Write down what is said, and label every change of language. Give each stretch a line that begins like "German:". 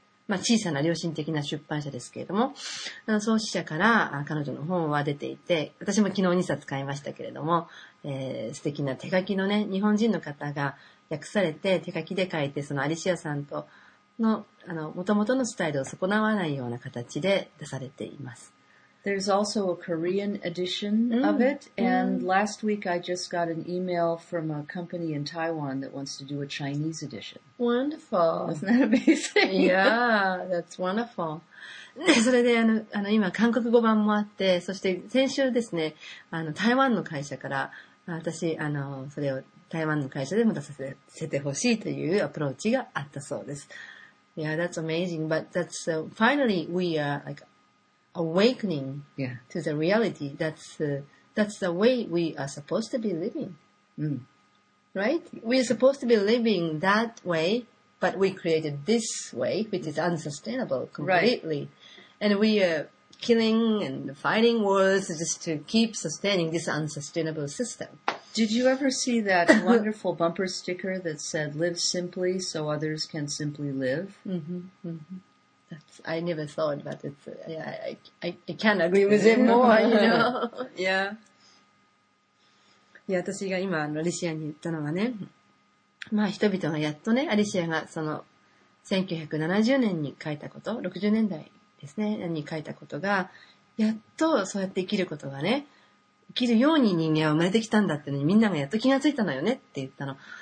Japanese: まあ、小さな良心的な出版社ですけれども、創始者から彼女の本は出ていて、私も昨日2冊買いましたけれども、素敵な手書きのね、日本人の方が訳されて手書きで書いて、そのアリシアさんとの、元々のスタイルを損なわないような形で出されています。
English: There's also a Korean edition of it,、mm. and last week I just got an email from a company in Taiwan that wants to do a Chinese edition. Wonderful. Isn't that amazing? Yeah, that's wonderful.
Japanese: それで、今、韓国語版もあって、そして先週ですね、台湾の会社から、私、それを台湾の会社でも出させてほしいというアプローチがあったそうです。
English: Yeah, that's amazing, but that's, finally we are, like,awakening yeah. to the reality. That's the way we are supposed to be living.、 Mm. Right? We're supposed to be living that way, but we created this way, which is unsustainable completely.、 Right. And we are killing and fighting wars just to keep sustaining this unsustainable system. Did you ever see that wonderful bumper sticker that said, live simply so others can simply live? Mm-hmm, mm-hmm. That's, I never thought, but it's, I can't agree with it more, you know. Yeah.
Japanese: 私が今、アリシアに言ったのはね、まあ人々がやっとね、アリシアがその1970年に書いたこと、60年代ですね、に書いたことが、やっとそうやって生きることがね、生きるように人間は生まれてきたんだってのにみんながやっと気がついたのよねって言ったの。